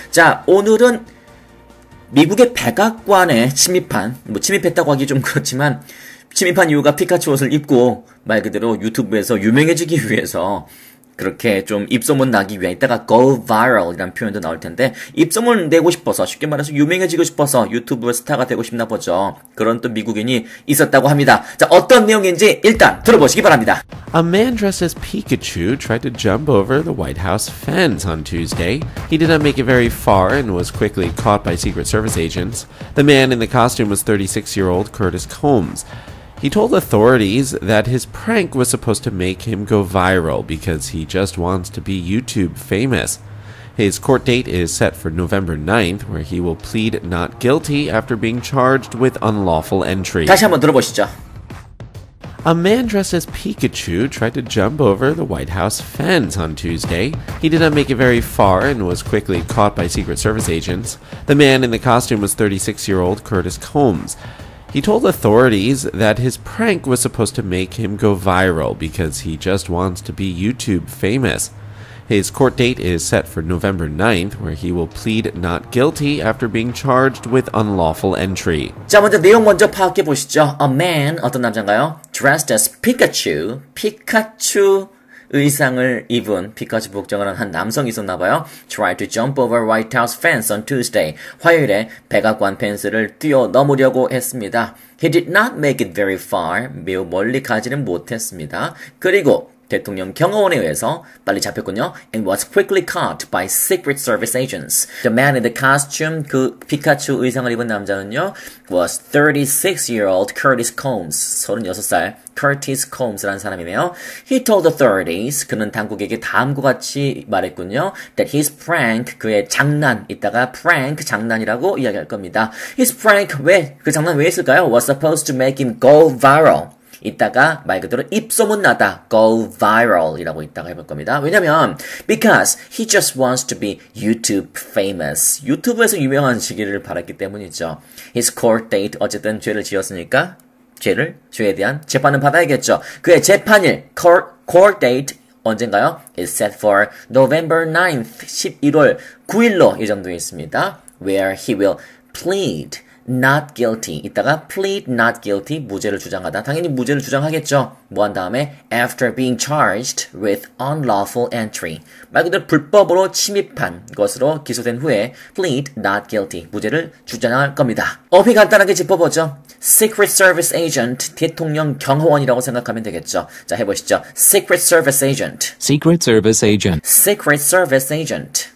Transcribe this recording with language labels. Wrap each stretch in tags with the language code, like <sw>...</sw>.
<ko>자, 오늘은 미국의 백악관에 침입한, 뭐 침입했다고 하기 좀 그렇지만 침입한 이유가 피카츄 옷을 입고 말 그대로 유튜브에서 유명해지기 위해서 그렇게 좀 입소문 나기 위해 이따가</ko> <en>go viral</en> <ko>이라는 표현도 나올 텐데 입소문 내고 싶어서 쉽게 말해서 유명해지고 싶어서 유튜브의 스타가 되고 싶나 보죠. 그런 또 미국인이 있었다고 합니다. 자, 어떤 내용인지 일단 들어보시기 바랍니다.</ko> <en>A man dressed as Pikachu tried to jump over the White House fence on Tuesday. He did not make it very far and was quickly caught by Secret Service agents. The man in the costume was 36-year-old Curtis Combs. He told authorities that his prank was supposed to make him go viral because he just wants to be YouTube famous. His court date is set for November 9th, where he will plead not guilty after being charged with unlawful entry.</en> <ko>다시 한번 들어보시죠.</ko> <en>A man dressed as Pikachu tried to jump over the White House fence on Tuesday. He did not make it very far and was quickly caught by Secret Service agents. The man in the costume was 36-year-old Curtis Combs. He told authorities that his prank was supposed to make him go viral because he just wants to be YouTube famous. His court date is set for November 9th, where he will plead not guilty after being charged with unlawful entry.</en> <ko>자, 먼저 내용 먼저 파악해 보시죠.</ko> <en>A man,</en> <ko>어떤 남자인가요?</ko> <en>Dressed as Pikachu,</en> <ko>피카츄 의상을 입은 피카츄 복장을 한 남성이 있었나 봐요.</ko> <en>Tried to jump over White House fence on Tuesday.</en> <ko>화요일에 백악관 펜스를 뛰어넘으려고 했습니다.</ko> <en>He did not make it very far.</en> <ko>매우 멀리 가지는 못했습니다. 그리고 대통령 경호원에 의해서 빨리 잡혔군요.</ko> <en>And was quickly caught by Secret Service agents. The man in the costume,</en> <ko>그 피카츄 의상을 입은 남자는요.</ko> <en>Was 36-year-old Curtis Combs.</en> <ko>36살 Curtis Combs라는 사람이네요.</ko> <en>He told authorities,</en> <ko>그는 당국에게 다음과 같이 말했군요.</ko> <en>That his prank,</en> <ko>그의 장난, 이따가 prank, 장난이라고 이야기할 겁니다.</ko> <en>His prank,</en> <ko>왜, 그 장난 왜 있을까요?</ko> <en>Was supposed to make him go viral.</en> <ko>이따가 말 그대로 입소문 나다</ko> <en>go viral</en> <ko>이라고 이따가 해볼 겁니다. 왜냐면</ko> <en>because he just wants to be YouTube famous.</en> <ko>유튜브에서 유명한 시기를 바랐기 때문이죠.</ko> <en>His court date</en> <ko>어쨌든 죄를 지었으니까 죄를 죄에 대한 재판은 받아야겠죠. 그의 재판일</ko> <en>court date</en> <ko>언젠가요?</ko> <en>is set for November 9th</en> <ko>11월 9일로 예정되어 있습니다.</ko> <en>Where he will plead. Not guilty.</en> <ko>이따가</ko> <en>plead not guilty.</en> <ko>무죄를 주장하다. 당연히 무죄를 주장하겠죠. 뭐한 다음에 after being charged with unlawful entry. 말 그대로 불법으로 침입한 것으로 기소된 후에</ko> <en>plead not guilty.</en> <ko>무죄를 주장할 겁니다. 어휘 간단하게 짚어보죠.</ko> <en>Secret Service Agent.</en> <ko>대통령 경호원이라고 생각하면 되겠죠. 자, 해보시죠.</ko> <en>Secret Service Agent. Secret Service Agent. Secret Service Agent.</en>